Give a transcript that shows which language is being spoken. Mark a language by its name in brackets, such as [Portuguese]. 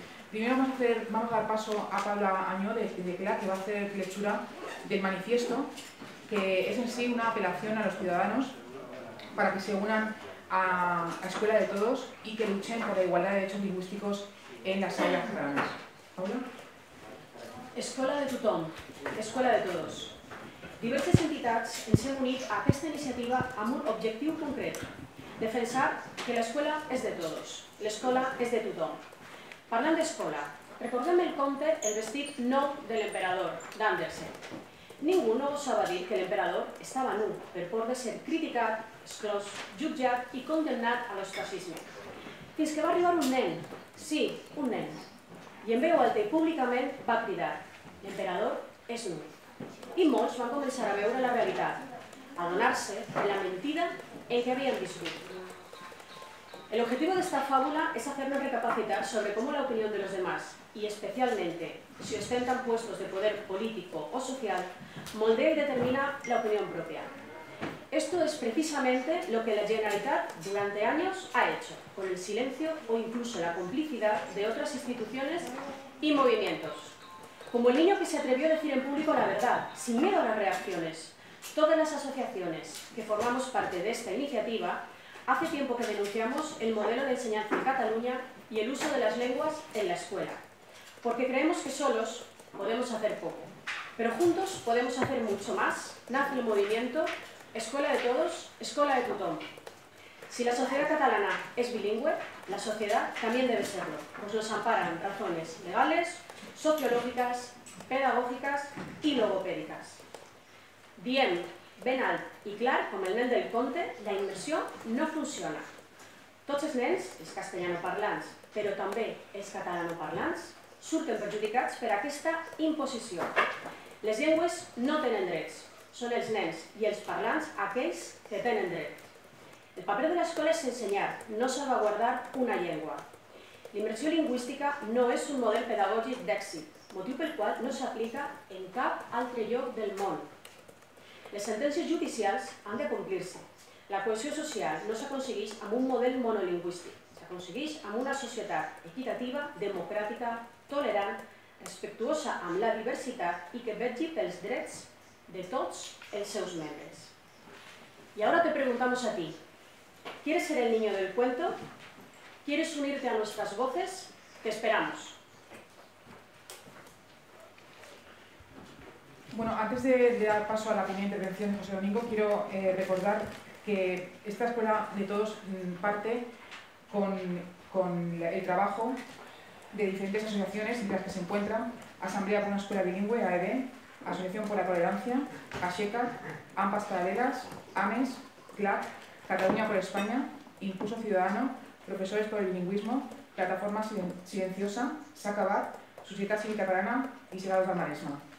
[Spanish] Primero vamos a dar paso a Paula Añó de CLA, que va a hacer lectura del manifiesto, que es en sí una apelación a los ciudadanos para que se unan a Escuela de Todos y que luchen por la igualdad de derechos lingüísticos en las aulas catalanas. Paula. Escuela de tothom, Escuela de Todos. [Catalan] Diverses entitats ens hem unit a aquesta iniciativa amb un objectiu concret: defensar que l'escola és de tots, l'escola és de tothom. Parlant d'escola, recordem el conte El vestit nou de l'emperador, d'Andersen. Ningú no osava dir que l'emperador estava nu per por de ser criticat, exclòs, jutjat i condemnat a l'ostracisme. Fins que va arribar un nen, sí, un nen, i en veu alta i públicament va cridar: l'emperador és nu. I molts van començar a veure la realitat, a donar-se de la mentida en què havien viscut. [Spanish] El objetivo de esta fábula es hacernos recapacitar sobre cómo la opinión de los demás, y especialmente si ostentan puestos de poder político o social, moldea y determina la opinión propia. Esto es precisamente lo que la Generalitat durante años ha hecho, con el silencio o incluso la complicidad de otras instituciones y movimientos. Como el niño que se atrevió a decir en público la verdad, sin miedo a las reacciones, todas las asociaciones que formamos parte de esta iniciativa, hace tiempo que denunciamos el modelo de enseñanza en Cataluña y el uso de las lenguas en la escuela, porque creemos que solos podemos hacer poco, pero juntos podemos hacer mucho más. Nace el movimiento Escuela de Todos, Escuela de Tothom. Si la sociedad catalana es bilingüe, la sociedad también debe serlo, pues nos amparan razones legales, sociológicas, pedagógicas y logopédicas. [Catalan] Bien, ben alt i clar, com el nen del conte, la immersió no funciona. Tots els nens, els castellanoparlants, però també els catalanoparlants, surten perjudicats per aquesta imposició. Les llengües no tenen drets, són els nens i els parlants aquells que tenen dret. El paper de l'escola és ensenyar, no salvaguardar una llengua. L'immersió lingüística no és un model pedagògic d'èxit, motiu pel qual no s'aplica en cap altre lloc del món. Les sentències judicials han de complir-se. La cohesió social no s'aconsegueix amb un model monolingüístic, s'aconsegueix amb una societat equitativa, democràtica, tolerant, respectuosa amb la diversitat i que vegi pels drets de tots els seus membres. [Spanish] I ara te preguntamos a ti: ¿quieres ser el niño del cuento? ¿Quieres unirte a nuestras voces? Te esperamos. Bueno, antes de dar paso a la primera intervención de José Domingo, quiero recordar que esta Escuela de Todos parte con el trabajo de diferentes asociaciones, entre las que se encuentran Asamblea por una Escuela Bilingüe, AED, Asociación por la Tolerancia, ASECA, AMPAS Paralelas, AMES, CLAC, Cataluña por España, Impulso Ciudadano, Profesores por el Bilingüismo, Plataforma Silenciosa, SACABAT, Societat Cívica Catalana y Segados del Maresme.